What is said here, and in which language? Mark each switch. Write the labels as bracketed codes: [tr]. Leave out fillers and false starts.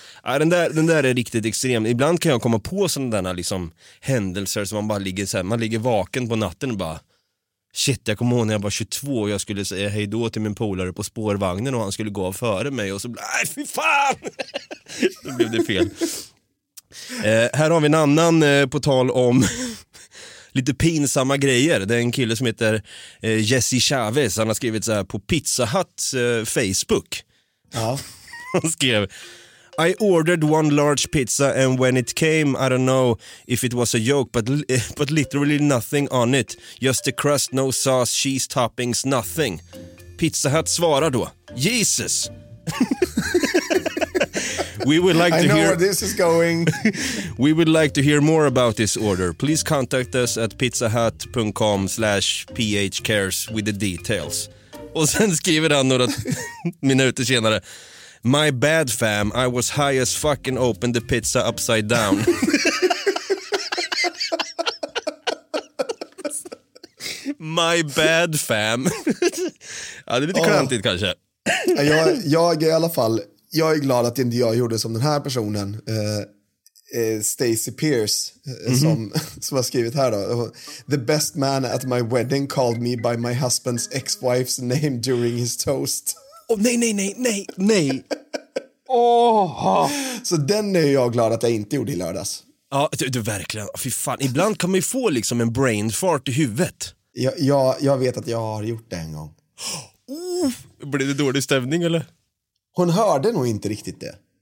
[sv] Ja, den där är riktigt extrem. Ibland kan jag komma på sådana där liksom händelser som man bara ligger så här, man ligger vaken på natten och bara shit, jag kommer ihåg när jag var 22 och jag skulle säga hej då till min polare på spårvagnen och han skulle gå före mig och så blev fy fan. Då blev det fel. Här har vi en annan på tal om lite pinsamma grejer. Det är en kille som heter Jesse Chavez. Han har skrivit så här på Pizza Hut Facebook. Ja, han skrev: [en] I ordered one large pizza and when it came, I don't know if it was a joke, but literally nothing on it. Just the crust, no sauce, cheese toppings, nothing. [sv] Pizza Hut svarar då: Jesus! [en] We would like to hear where this is going. We would like to hear more about this order. Please contact us at pizzahut.com/phcares with the details. [sv] Och sen skriver han några minuter senare: [en] My bad fam, I was high as fucking opened the pizza upside down. My bad fam. [sv] Ja, det är lite klantigt kanske. Jag är i alla fall, jag är glad att inte jag gjorde som den här personen, Stacy Pierce, som har skrivit här då. [en] The best man at my wedding called me by my husband's ex-wife's name during his toast. [sv] Oh, nej. Oh. Så den är jag glad att jag inte gjorde i lördags. Ja, du verkligen. Fy fan. Ibland kan man ju få liksom en brain fart i huvudet. Jag vet att jag har gjort det en gång. Blev det dålig stämning eller? Hon hörde nog inte riktigt det.